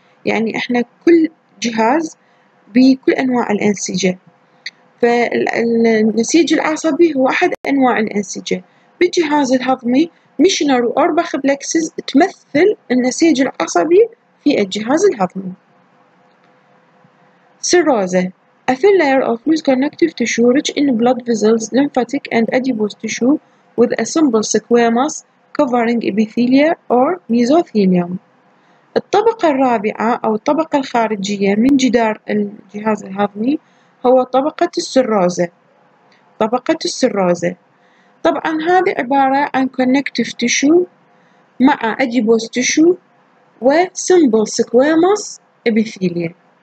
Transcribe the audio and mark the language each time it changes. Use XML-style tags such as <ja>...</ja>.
<ar>يعني إحنا كل جهاز بكل أنواع الأنسجة، فالنسيج العصبي هو أحد أنواع الأنسجة. بالجهاز الهضمي ميشنر وأورباخ بلكسز تمثل النسيج العصبي في الجهاز الهضمي.</ar> <en>Serosa A thin layer of loose connective tissue rich in blood vessels, lymphatic and adipose tissue with a simple squamous covering epithelia or mesothelium.</en> <ar>الطبقة الرابعة أو الطبقة الخارجية من جدار الجهاز الهضمي هو طبقة السيروزا. طبقة السيروزا طبعا هذه عبارة عن connective tissue مع adipose tissue و simple squamous epithelia.</ar>